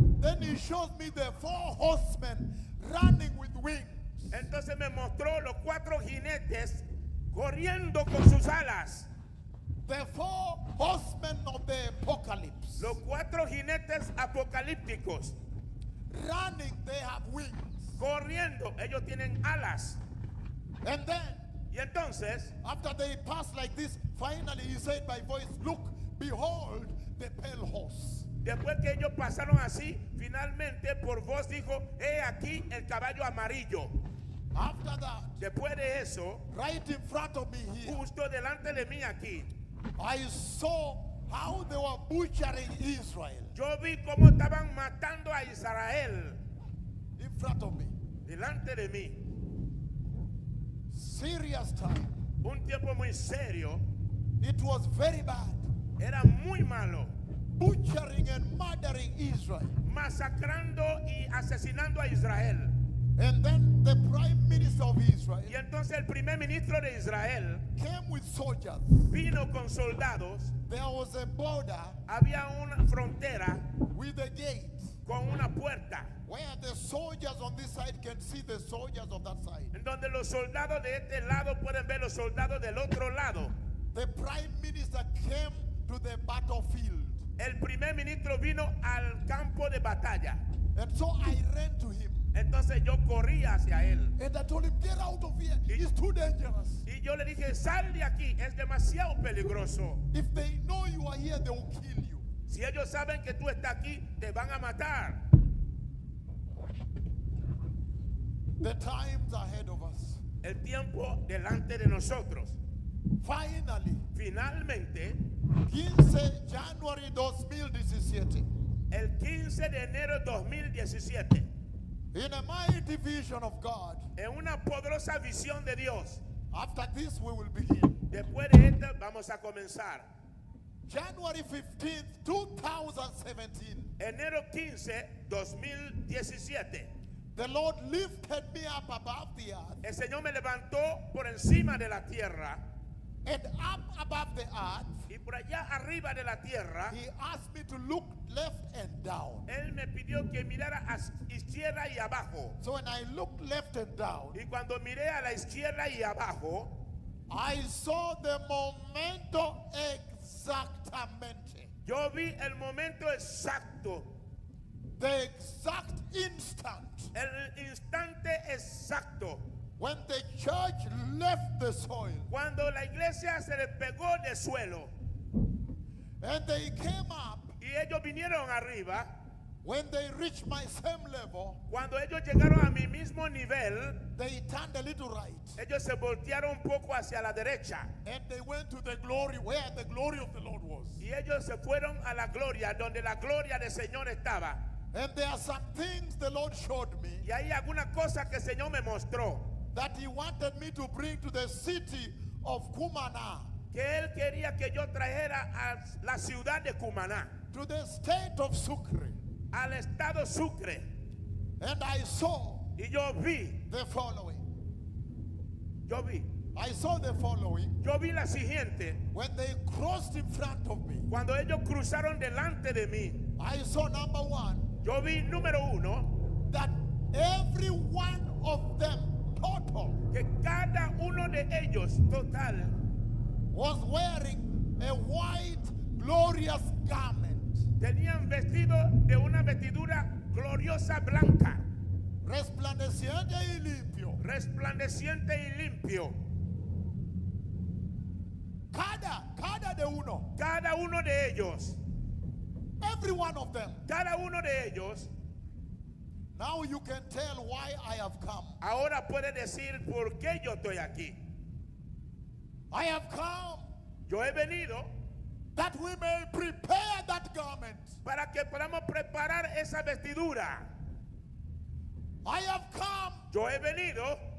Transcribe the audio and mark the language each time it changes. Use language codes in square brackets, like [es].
[en] Then he showed me the four horsemen running with wings. [es] Entonces me mostró los cuatro jinetes corriendo con sus alas. [en] The four horsemen of the apocalypse. [es] Los cuatro jinetes apocalípticos. [en] Running, they have wings. [es] Corriendo, ellos tienen alas. [en] And then, [es] y entonces, [en] after they pass like this, finally he said by voice, look, behold the pale horse. [es] Después que ellos pasaron así, finalmente por voz dijo, he aquí el caballo amarillo. [en] After that, [es] después de eso, [en] right in front of me here, [es] justo delante de mí aquí, [en] I saw how they were butchering Israel. [es] Yo vi cómo estaban matando a Israel. [en] In front of me. [es] Delante de mí. [en] Serious time. [es] Un tiempo muy serio. [en] It was very bad. [es] Era muy malo. [en] Butchering and murdering Israel. [es] Masacrando y asesinando a Israel. [en] And then the prime minister of Israel. [es] Y entonces el primer ministro de Israel [en] came with soldiers. [es] Vino con soldados. [en] There was a border. [es] Había una frontera [en] with a gate. [es] Con una puerta. [en] Where the soldiers on this side can see the soldiers of that side. [es] En donde los soldados de este lado pueden ver los soldados del otro lado. [en] The prime minister came to the battlefield. [es] El primer ministro vino al campo de batalla. [en] And so I ran to him. [es] Entonces yo corrí hacia él. [en] And I told him, get out of here. It's too dangerous. [es] Y yo le dije, sal de aquí, es demasiado peligroso. [en] If they know you are here, they will kill you. [es] Si ellos saben que tú estás aquí, te van a matar. [en] The time's ahead of us. [es] El tiempo delante de nosotros. [en] Finally. [es] Finalmente. [en] 15 January 2017. [es] El 15 de enero 2017. [en] In a mighty vision of God. [es] En una poderosa visión de Dios. [en] After this we will begin. [es] Después de esto vamos a comenzar. [en] January 15th, 2017. [es] Enero 15, 2017. [en] The Lord lifted me up above the earth. [es] El Señor me levantó por encima de la tierra. [en] And up above the earth. [es] Y por allá arriba de la tierra. [en] He asked me to look left and down. [es] Él me pidió que mirara a izquierda y abajo. [en] So when I looked left and down. [es] Y cuando miré a la izquierda y abajo. [en] I saw the [es] momento exactamente. Yo vi el momento exacto. [en] The exact instant. [es] El instante exacto. [en] When the church left the soil. [es] Cuando la iglesia se despegó del suelo. [en] And they came up. [es] Y ellos vinieron arriba. [en] When they reached my same level. [es] Cuando ellos llegaron a mi mismo nivel. [en] They turned a little right. [es] Ellos se voltearon un poco hacia la derecha. [en] And they went to the glory where the glory of the Lord was. [es] Y ellos se fueron a la gloria donde la gloria del Señor estaba. [en] And there are some things the Lord showed me. [es] Y hay alguna cosa que el Señor me mostró. [en] That he wanted me to bring to the city of Cumaná. [es] Que él quería que yo trajera a la ciudad de Cumaná. [en] To the state of Sucre. [es] Al estado Sucre. [en] And I saw. [es] Y yo vi. [en] The following. [es] Yo vi. [en] I saw the following. [es] Yo vi la siguiente. [en] When they crossed in front of me. [es] Cuando ellos cruzaron delante de mí. [en] I saw number one. [es] Yo vi número uno. [en] That every one of them. total, [es] que cada uno de ellos total, [en] was wearing a white glorious garment, [es] tenían vestido de una vestidura gloriosa blanca, resplandeciente y limpio, resplandeciente y limpio. Cada de uno, cada uno de ellos, [en] every one of them, [es] cada uno de ellos. [en] Now you can tell why I have come. [es] Ahora puede decir por qué yo estoy aquí. [en] I have come. [es] Yo he venido. [en] That we may prepare that garment. [es] Para que podamos preparar esa vestidura. [en] I have come. [es] Yo he venido.